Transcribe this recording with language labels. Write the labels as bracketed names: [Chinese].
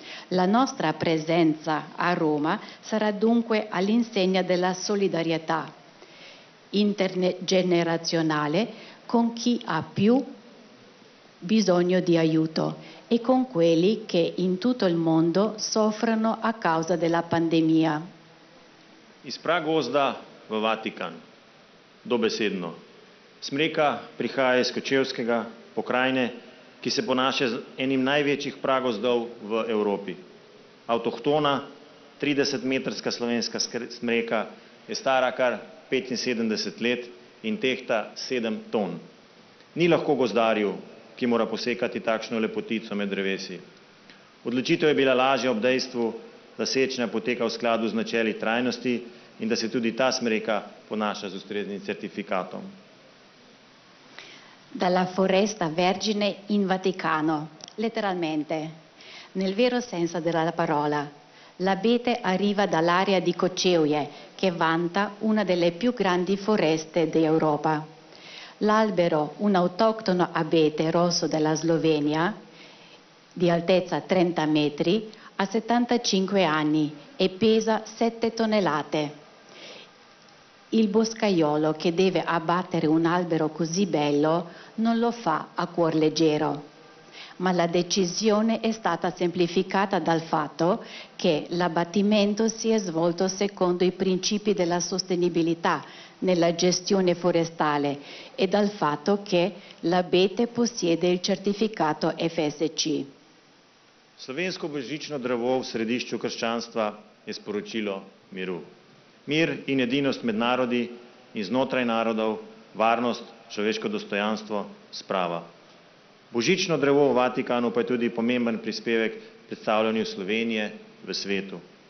[Italian] La nostra presenza a Roma sarà dunque all'insegna della solidarietà intergenerazionale con chi ha più bisogno di aiuto e con quelli che in tutto il mondo soffrono a causa della pandemia. [Slovenian] Iz Pragozda v Vatikan, dobesedno. Smreka prihaja iz Kočevskega pokrajine, ki se ponaša z enim največjih pragozdov v Evropi. Avtohtona 30-metrska slovenska smreka je stara kar 75 let in tehta 7 ton. Ni lahko gozdarju, ki mora posekati takšno lepotico med drevesi. Odločitev je bila lažja ob dejstvu, da sečnja poteka v skladu z načeli trajnosti in da se tudi ta smreka ponaša z ustreznim certifikatom. [Italian] Dalla foresta vergine in Vaticano, letteralmente, nel vero senso della parola. L'abete arriva dall'area di Kočevje, che vanta una delle più grandi foreste d'Europa. L'albero, un autoctono abete rosso della Slovenia, di altezza 30 metri, ha 75 anni e pesa 7 tonnellate. Il boscaiolo che deve abbattere un albero così bello non lo fa a cuor leggero. Ma la decisione è stata semplificata dal fatto che l'abbattimento si è svolto secondo i principi della sostenibilità nella gestione forestale e dal fatto che l'abete possiede il certificato FSC. [Slovenian] Slovensko božično drevo v središču krščanstva je sporočilo miru. Mir in edinost med narodi in znotraj narodov, varnost, človeško dostojanstvo, sprava. Božično drevo v Vatikanu pa je tudi pomemben prispevek predstavljanju Slovenije v svetu.